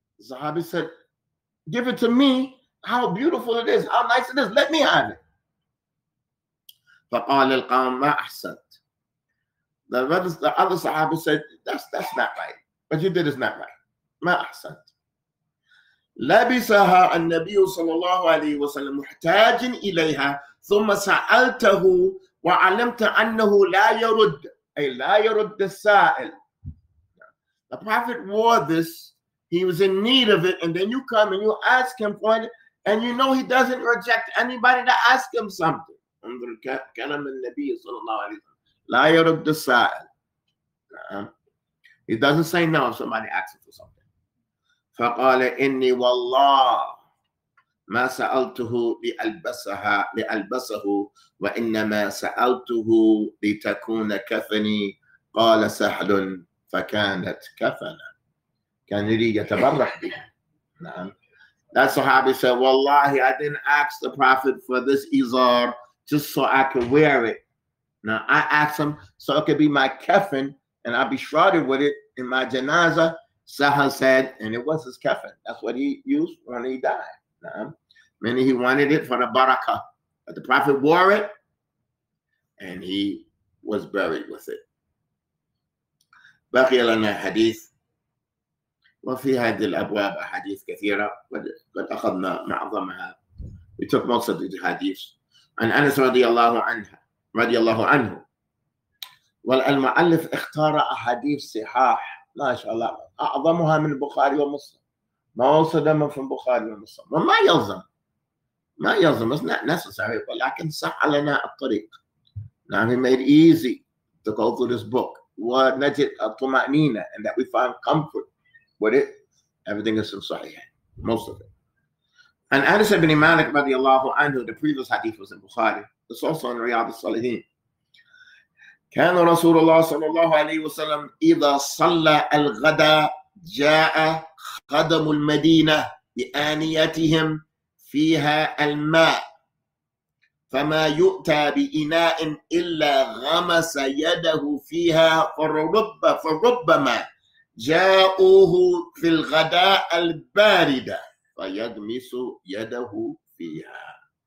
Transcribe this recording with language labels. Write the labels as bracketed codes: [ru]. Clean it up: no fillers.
[en] Zahabi said, give it to me. How beautiful it is. How nice it is. Let me have it. [ar] فَقَالَ الْقَامَ مَا أَحْسَنْتِ. [en] The other Sahabi said, that's not right. What you did is not right. [ar] مَا أَحْسَنْتِ. لَبِسَهَا النَّبِيُّ صَلَى اللَّهُ عَلَيْهِ وَسَلَّمُ مُحْتَاجٍ إِلَيْهَا ثُمَّ سَأَلْتَهُ وَعَلَمْتَ أَنَّهُ لَا يَرُدْ. أي لا يرد السائل. [en] The Prophet wore this He was in need of it. And then you come and you ask him for it. And you know he doesn't reject anybody to ask him something. [ar] انظر كلام النبي صلى الله عليه وسلم. لا يرد السائل. [en] He doesn't say no if somebody asks him for something. [ar] فقال إني والله ما سألته لألبسها لألبسه وإنما سألته لتكون كفني قال سهل فكانت كفنا. كان يريد يتبرح بها. نعم. [en] That Sahabi said, Wallahi, I didn't ask the Prophet for this izar just so I could wear it. Now, I asked him so it could be my kefin and I'd be shrouded with it in my janazah. Saha said, and it was his kefin. That's what he used when he died. Now, meaning he wanted it for the barakah. But the Prophet wore it and he was buried with it. [ar] Baqiya lana hadith. وفي هذه الأبواب حديث كثيرة قد أخذنا معظمها. [en] We took most of the hadiths. [ar] عن أنس رضي الله عنها رضي الله عنه. والمؤلف اختار أحاديث صحاح ما شاء الله أعظمها من البخاري ومسلم. [en] Most of them are from Bukhari and Muslim. [ar] وما يلزم ما يلزم [en] it's not necessary [ar] ولكن سهل لنا الطريق. [en] Now he made it easy to go through this book. [ar] ونجد الطمأنينة [en] and that we find comfort. With it, everything is from Sahih, most of it. And Anas ibn Malik radiallahu anhu, the previous hadith was in Bukhari. It's also in Riyad al-Salihin. [ar] كان رسول الله صلى الله عليه وسلم إذا صلى الغدا جاء خدم المدينة بآنيتهم فيها الماء فما يؤتى بإناء إلا غمس يده فيها فربما جاءوه في الغداء الباردة فيغمس يده فيها.